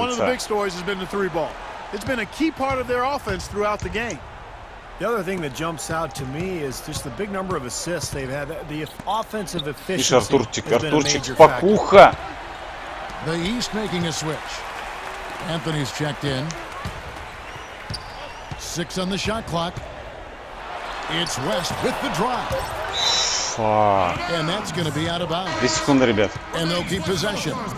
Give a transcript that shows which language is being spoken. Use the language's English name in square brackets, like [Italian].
[English] One of the big stories has been the three ball. It's been a key part of their offense throughout the game. The other thing that jumps out to me is just the big number of assists they've had. The offensive efficiency. [Russian] Еще Артурчик, Артурчик, покуха. [English] The East making a switch. Anthony's checked in. Six on the shot clock. It's West with the drive. Fuck. And that's going to be out of bounds. [Russian] 2 секунды, ребят. [English] And they'll keep possession.